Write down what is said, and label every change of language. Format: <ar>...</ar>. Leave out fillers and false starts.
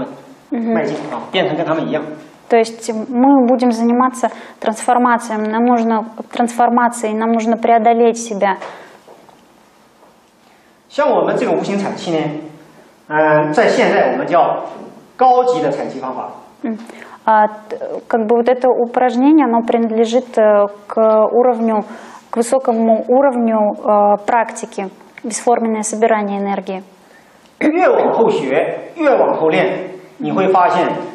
<zh>我们现在所干的事情，我们的事业就是从这个高级生命向超高级生命迈进。嗯，从你再说。就是我们的这个人类的生命形式，从这种我们是高级生命嘛，要向那种超过我们这种生命，就是超高级生命迈进，要向他们迈进啊，变成跟他们一样。</zh> <ru>То есть мы будем заниматься трансформацией, нам нужно трансформация, нам нужно преодолеть себя.</ru> <zh>像我们这个无形采气呢，在现在我们叫高级的采气方法。</zh> <ru>Как бы вот это упражнение, оно принадлежит к уровню, к высокому уровню практики, бесформенное собирание энергии.</ru> <zh>越往后学，越往后练，你会发现。</zh>